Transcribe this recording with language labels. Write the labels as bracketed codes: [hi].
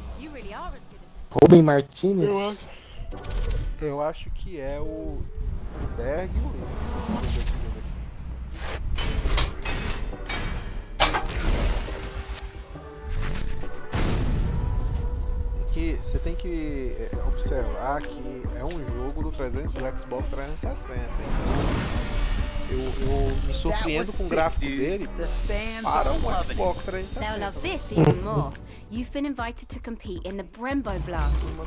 [en] You really are as good as Rubem Martinez? [pt] Eu acho que é o Berg e o Lee. Você tem que observar que é um jogo do 300, do Xbox 360. Eu me surpreendo com o gráfico dele para um Xbox 360. [en] You've been invited to compete in the Brembo Blast.